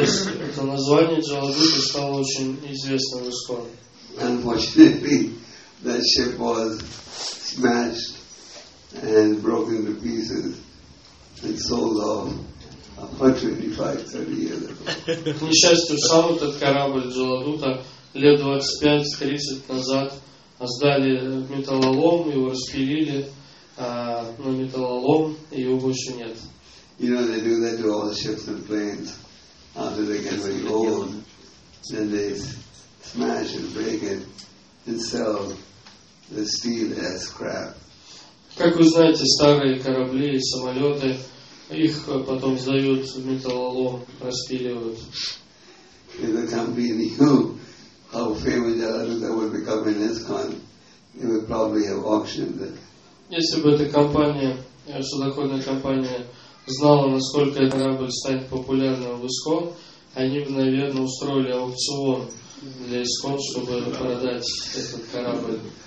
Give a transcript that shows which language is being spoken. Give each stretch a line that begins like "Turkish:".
Russian: Это название Джаладута стало очень известным в ИСКОН.
English: Unfortunately, that ship was smashed and broken to pieces and sold off 25-30 years ago.
Russian: К несчастью, сам этот корабль Джаладута лет 25-30 назад сдали в металлолом, его распилили на металлолом, и его больше нет.
English: You know, they do that to all the ships and planes after they get very old. Then they smash and break it and sell the steel as crap.
Russian: Как вы знаете, старые корабли и самолеты, их потом сдают в металлолом, распиливают.
English: If the company knew how famous Jaladuta would become in ISKCON, they would probably have auctioned it.
Russian: Если бы эта компания, судоходная компания, знала, насколько этот корабль станет популярным в ИСКОН, они бы, наверное, устроили аукцион для ИСКОН, чтобы продать этот